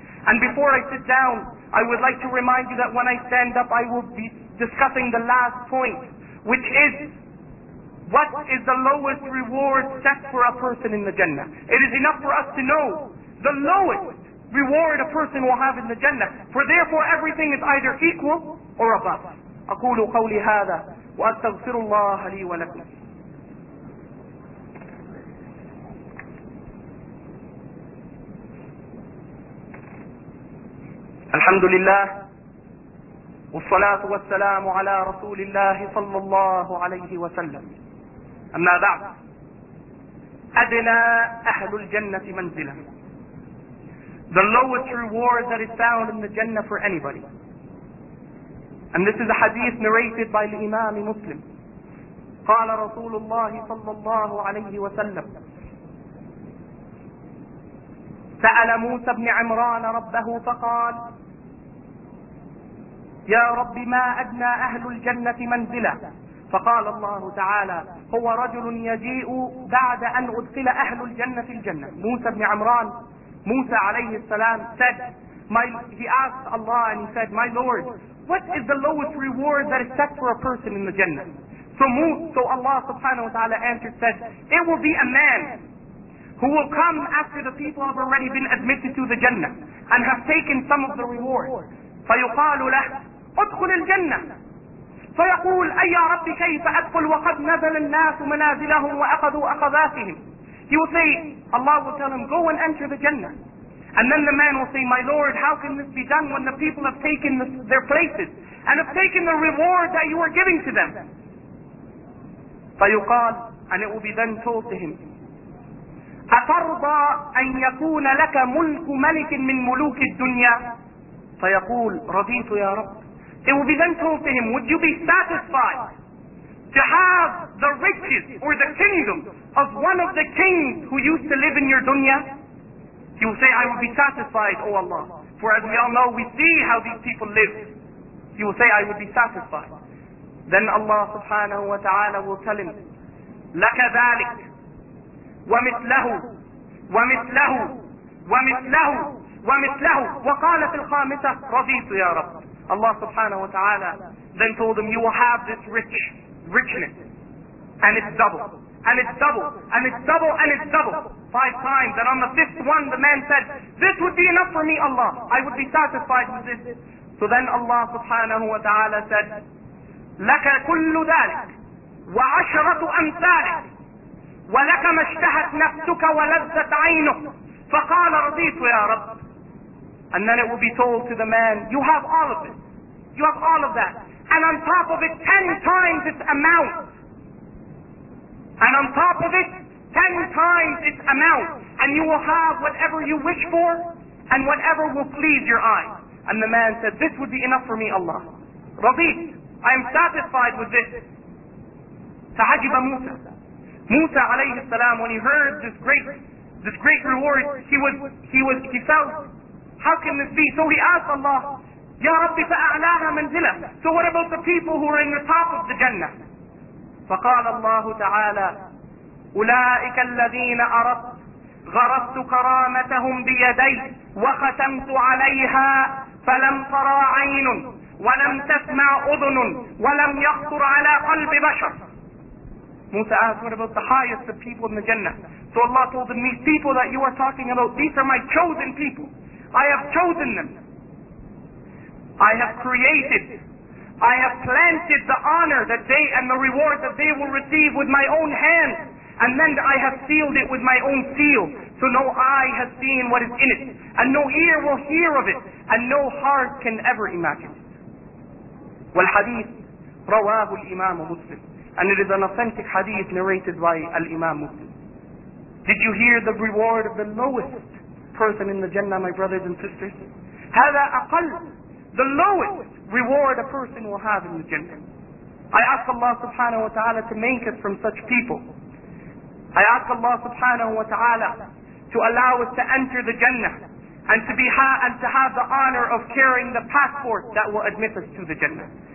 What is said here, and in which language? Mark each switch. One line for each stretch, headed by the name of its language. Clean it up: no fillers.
English: And before I sit down, I would like to remind you that when I stand up, I will be discussing the last point, which is, what is the lowest reward set for a person in the Jannah? It is enough for us to know the lowest reward a person will have in the Jannah. For therefore, everything is either equal or above.
Arabic: أقول قولي هذا وأستغفر الله لي ولكم. الحمد لله والصلاة والسلام على رسول الله صلى الله عليه وسلم. أما بعد, أدنى أهل الجنة منزلا.
English: The lowest reward that is found in the Jannah for anybody. And this is a hadith narrated by the Imam Muslim.
Arabic: قال رسول الله صلى الله عليه وسلم سأل موسى بن عمران ربه فقال يا رب ما أدنى أهل الجنة منزلا. فقال الله تعالى هو رجل يجيء بعد أن أدخل أهل الجنة الجنة. موسى بن عمران, موسى عليه السلام,
English: said, he asked Allah and he said, my Lord, what is the lowest reward that is set for a person in the Jannah? So Allah subhanahu wa ta'ala answered, said, it will be a man who will come after the people have already been admitted to the Jannah and have taken some of the reward.
Arabic: فَيُقَالُ لَهُ أُدْخُلِ الْجَنَّةِ فَيَقُولُ أَيَّا رَبِّ كَيْفَ أَدْخُلُ وَقَدْ نَزَلَ النَّاسُ مَنَازِلَهُمْ وَأَخَذُوا أَخَذَاتِهِمْ.
English: He will say, Allah will tell him, go and enter the Jannah. And then the man will say, my Lord, how can this be done when the people have taken their places and have taken the reward that you are giving to them?
Arabic: فَيُقَالُ,
English: and it will be then told to him,
Arabic: أَتَرْضَى أَنْ يَكُونَ لَكَ مُلْكُ مَلِكٍ مِنْ مُلُوكِ الدُّنْيَا. فَيَقُولُ رَضِيتُ يَا رَبِّ.
English: It will be then told to him, would you be satisfied to have the riches or the kingdom of one of the kings who used to live in your dunya? He will say, I will be satisfied, O Allah. For as we all know, we see how these people live. He will say, I will be satisfied. Then Allah subhanahu wa ta'ala will tell him,
Arabic: لَكَ ذَلِكَ وَمِثْلَهُ وَمِثْلَهُ وَمِثْلَهُ وَمِثْلَهُ وَقَالَتِ الْخَامِسَةِ رَضِيتُ يَا رَبِّ.
English: Allah subhanahu wa ta'ala then told him, you will have this richness, and it's double, and it's double, and it's double, and it's double, five times. And on the fifth one, the man said, this would be enough for me, Allah. I would be satisfied with this. So then Allah subhanahu wa ta'ala said,
Arabic: لَكَ كُلُّ ذَلِكَ وَعَشْرَةُ أَمْثَالِكَ وَلَكَ مَا اشْتَهَتْ نَفْسُكَ وَلَذَّتْ عَيْنُكَ فَقَالَ رَضِيتُ يَا رَبِّ.
English: And then it will be told to the man, you have all of it. You have all of that. And on top of it, 10 times its amount. And on top of it, 10 times its amount. And you will have whatever you wish for and whatever will please your eye. And the man said, this would be enough for me, Allah. Rabit, I am satisfied with this.
Arabic: Tahajiba Musa.
English: Musa alayhi salam, when he heard this great reward, he felt, how can this be? So he asked Allah,
Arabic: Ya Rabbi fa'a'laha manzila.
English: So what about the people who are in the top of the Jannah?
Arabic: فقال الله تعالى, أولئك الذين أردت غرست كرامتهم بيدي وختمت عليها فلم ترى عين ولم تسمع أذن ولم يخطر على قلب بشر.
English: Musa asked, what about the highest of people in the Jannah? So Allah told them, these people that you are talking about, these are my chosen people. I have chosen them. I have created. I have planted the honor that they and the reward that they will receive with my own hand, and then I have sealed it with my own seal. So no eye has seen what is in it, and no ear will hear of it, and no heart can ever imagine it.
Arabic: والحديث رواه الإمام مسلم.
English: And it is an authentic hadith narrated by Al-Imam Muslim. Did you hear the reward of the lowest person in the Jannah, my brothers and sisters?
Arabic: هذا أقل,
English: the lowest reward a person will have in the Jannah. I ask Allah subhanahu wa ta'ala to make us from such people. I ask Allah subhanahu wa ta'ala to allow us to enter the Jannah and to have the honor of carrying the passport that will admit us to the Jannah.